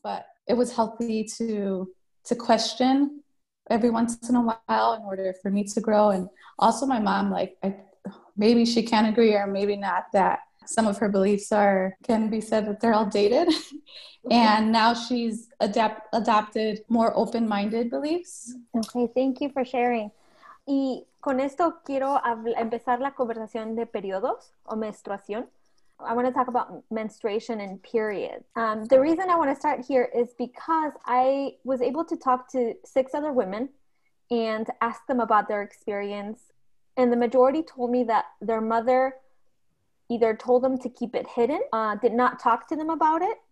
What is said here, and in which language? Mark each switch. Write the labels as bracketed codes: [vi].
[en] But it was healthy to question every once in a while in order for me to grow. And also my mom, like, I maybe she can agree or maybe not, that some of her beliefs can be said that they're all dated. And now she's adopted more open-minded beliefs. Okay, thank you for sharing. [es] Y con esto quiero empezar la conversación de periodos o menstruación. [en] I want to talk about menstruation and periods. The reason I want to start here is because I was able to talk to six other women and ask them about their experience. And the majority told me that their mother either told them to keep it hidden, did not talk to them about it.